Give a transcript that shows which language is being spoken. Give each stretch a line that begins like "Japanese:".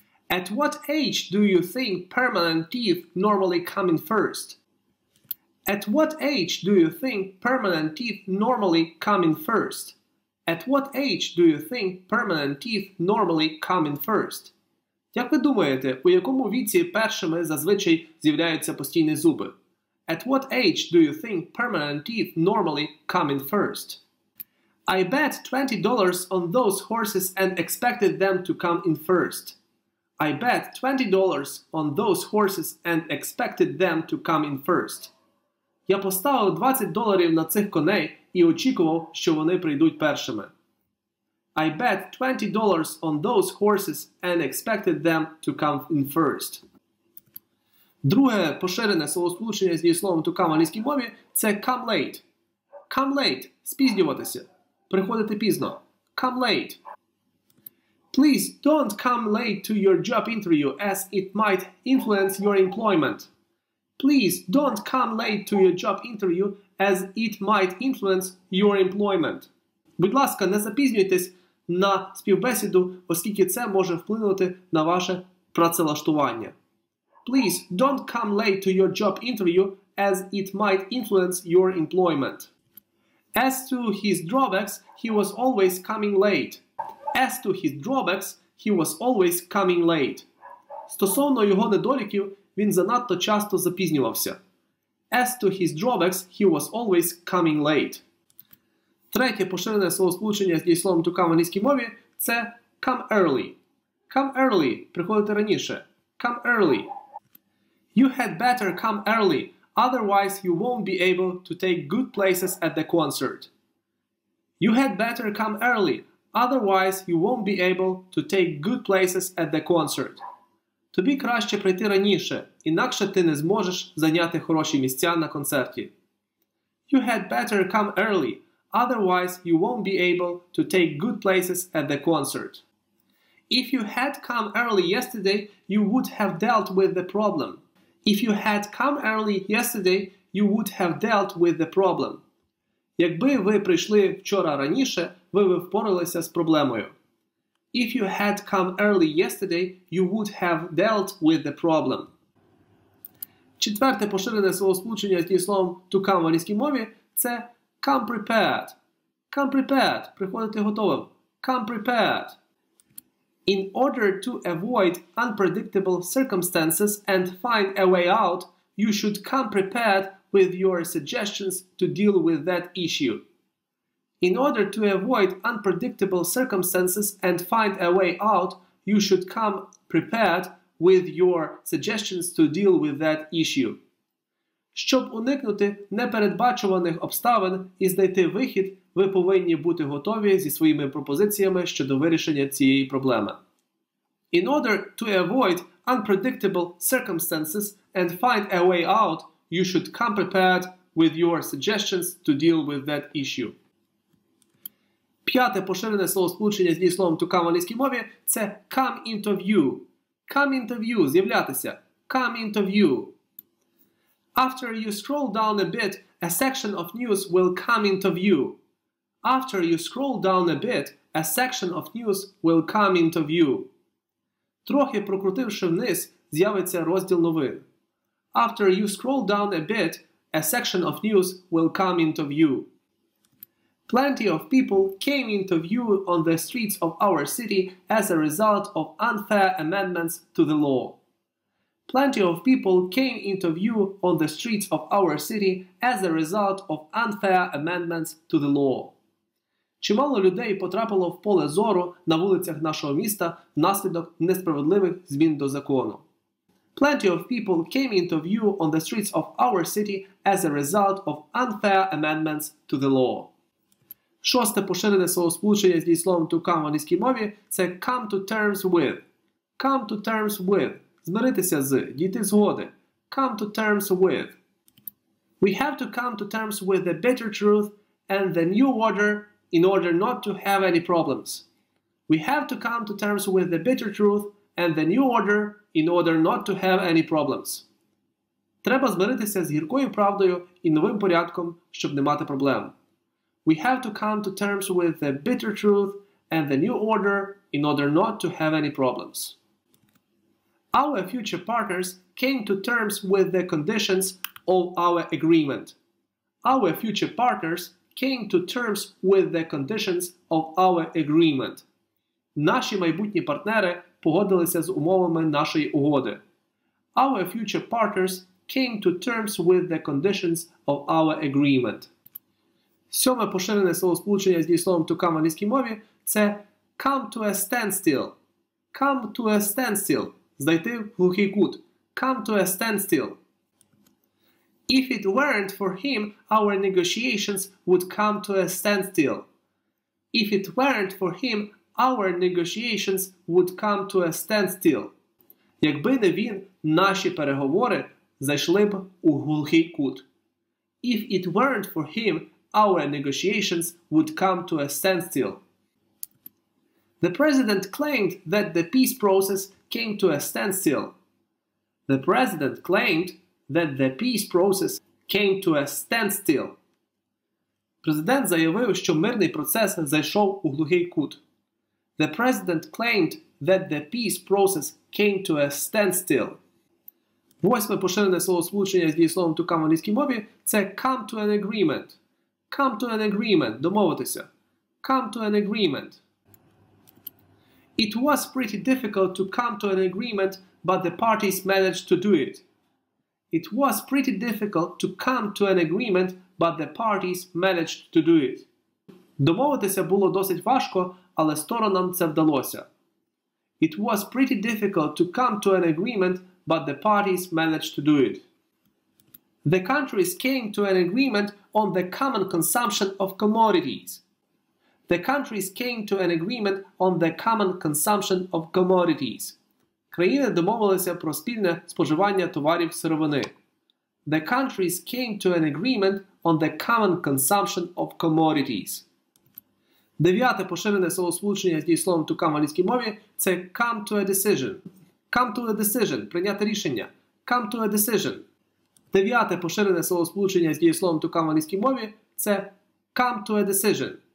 English: At what age do you think permanent teeth normally come in first? At what age do you think permanent teeth normally come in first? At what age do you think permanent teeth normally come in first?
Ukrainian: Як ви думаєте, у якому віці першими зазвичай з'являються постійні зуби?
English: At what age do you think permanent teeth normally come in first? I bet $20 on those horses and expected them to come in first. I bet $20 on those horses and expected them to come in first.
Ukrainian: Я поставив $20 на цих коней і очікував, що вони прийдуть першими.
English: I bet $20 on those horses and expected them to come in first.
Ukrainian: Друге поширене словосполучення з дієсловом to come в англійській мові – це come late.
English: Come late –
Ukrainian: спізнюватися. Приходити пізно.
English: Come late. Please don't come late to your job interview as it might influence your employment. Please don't come late to your job interview as it might influence your employment.
Ukrainian: Будь ласка, не запізнюйтесь на співбесіду, оскільки це може вплинути на ваше працевлаштування.
English: Please don't come late to your job interview as it might influence your employment. As to his drawbacks, he was always coming late. As to his drawbacks, he was always coming late.
Ukrainian: Стосовно його недоліків, він занадто часто запізнювався.
English: As to his drawbacks, he was always coming late.
Ukrainian: Третє поширене словосполучення з дієсловом to come в англійській мові – це come early.
English: Come early –
Ukrainian: приходити раніше.
English: Come early. You had better come early, otherwise you won't be able to take good places at the concert. You had better come early, otherwise you won't be able to take good places at the concert.
Ukrainian: Тобі краще прийти раніше, інакше ти не зможеш зайняти хороші місця на концерті.
English: You had better come early, otherwise you won't be able to take good places at the concert. If you had come early yesterday, you would have dealt with the problem. If you had come early yesterday, you would have dealt with the problem.
Ukrainian: Якби ви прийшли вчора раніше, ви б впоралися з проблемою.
English: If you had come early yesterday, you would have dealt with the problem.
Ukrainian: Четверте поширене словосполучення з дієсловом to come в англійській мові – це
English: come prepared. Come prepared.
Ukrainian: Приходити готовим.
English: Come prepared. In order to avoid unpredictable circumstances and find a way out, you should come prepared with your suggestions to deal with that issue. In order to avoid unpredictable circumstances and find a way out, you should come prepared with your suggestions to deal with that issue.
Ukrainian: Щоб уникнути непередбачуваних обставин і знайти вихід, ви повинні бути готові зі своїми пропозиціями щодо вирішення цієї проблеми.
English: In order to avoid unpredictable circumstances and find a way out, you should come prepared with your suggestions to deal with that issue.
Ukrainian: П'яте поширене словосполучення з дієсловом to come в англійській мові – це come into view.
English: Come into view –
Ukrainian: з'являтися.
English: Come into view. After you scroll down a bit, a section of news will come into view. After you scroll down a bit, a section of news will come into view.
Ukrainian: Трохи прокрутивши вниз, з'явиться розділ новин.
English: After you scroll down a bit, a section of news will come into view. Plenty of people came into view on the streets of our city as a result of unfair amendments to the law. Plenty of people came into view on the streets of our city as a result of unfair amendments to the law.
Ukrainian: Чимало людей потрапило в поле зору на вулицях нашого міста внаслідок несправедливих змін до закону.
English: Plenty of people came into view on the streets of our city as a result of unfair amendments to the law.
Ukrainian: Шосте поширене словосполучення з дієсловом to come в англійській мові – це come to terms with.
English: Come to terms with
Ukrainian: – змиритися з, дійти згоди.
English: Come to terms with. We have to come to terms with the bitter truth and the new order in order not to have any problems. We have to come to terms with the bitter truth and the new order in order not to have any problems.
Ukrainian: Треба змиритися з гіркою правдою і новим порядком, щоб не мати проблем.
English: We have to come to terms with the bitter truth and the new order in order not to have any problems. Our future partners came to terms with the conditions of our agreement. Our future partners came to terms with the conditions of our agreement.
Ukrainian: Наші майбутні партнери погодилися з умовами нашої угоди.
English: Our future partners came to terms with the conditions of our agreement.
Ukrainian: Сьоме поширене словосполучення з дієсловом to come в англійській мові – це come to a standstill.
English: Come to a standstill –
Ukrainian: знайти глухий кут.
English: Come to a standstill. If it weren't for him, our negotiations would come to a standstill. If it weren't for him, our negotiations would come to a standstill.
Ukrainian: Якби не він, наші переговори зайшли б у глухий кут.
English: If it weren't for him, our negotiations would come to a standstill. The president claimed that the peace process came to a standstill. The president claimed that the peace process came to a standstill.
Ukrainian: Президент заявив, що мирний процес зайшов у глухий кут.
English: The president claimed that the peace process came to a standstill.
Ukrainian: Восьме поширене словосполучення з дієсловом to come в англійській мові – це come to an agreement.
English: Come to an agreement –
Ukrainian: домовитися.
English: Come to an agreement. It was pretty difficult to come to an agreement, but the parties managed to do it. It was pretty difficult to come to an agreement, but the parties managed to do it.
Ukrainian: Домовитися було досить важко, але сторонам це вдалося.
English: It was pretty difficult to come to an agreement, but the parties managed to do it. The countries came to an agreement on the common consumption of commodities. The countries came to an agreement on the common consumption of commodities.
Ukrainian: Країни домовилися про спільне споживання товарів сировини.
English: The countries came to an agreement on the common consumption of commodities.
Ukrainian: Дев'яте поширене словосполучення з дієсловом to come в англійській мові – це come to a decision.
English: Come to a decision –
Ukrainian: прийняти рішення.
English: Come to a decision.
Ukrainian: Дев'яте поширене словосполучення з дієсловом to come в англійській мові – це come to a decision.